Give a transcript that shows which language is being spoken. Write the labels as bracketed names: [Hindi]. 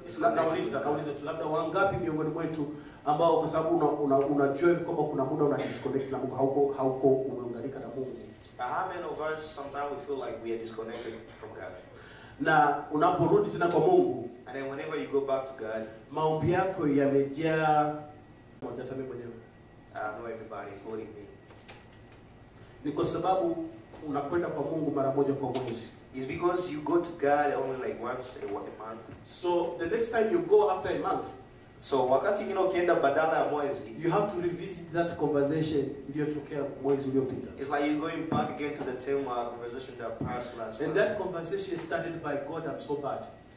[Swahili] Kauliza tu labda wangapi miongoni mwetu ambao kwa sababu unajua kwamba kuna muda una disconnect na Mungu, hauko umeunganika na Mungu. [English] How many of us sometimes we feel like we are disconnected from God? [Swahili] Na unaporudi tena kwa Mungu, [English] and then whenever you go back to God, [Swahili] maombi yako yamejaa moja tamaa mwenyewe. [English] No, everybody including me. [Swahili] Ni kwa sababu unakwenda kwa Mungu mara moja kwa mwezi. [English] It's because you go to God only like once a month. So the next time you go after a month, [Swahili] so wakati kina ukienda badala ya mwezi, [English] you have to revisit that conversation [Swahili] iliyotokea mwezi uliopita. [English] It's like you're going back again to the same conversation that passed last month. And that conversation started by God, I'm so bad.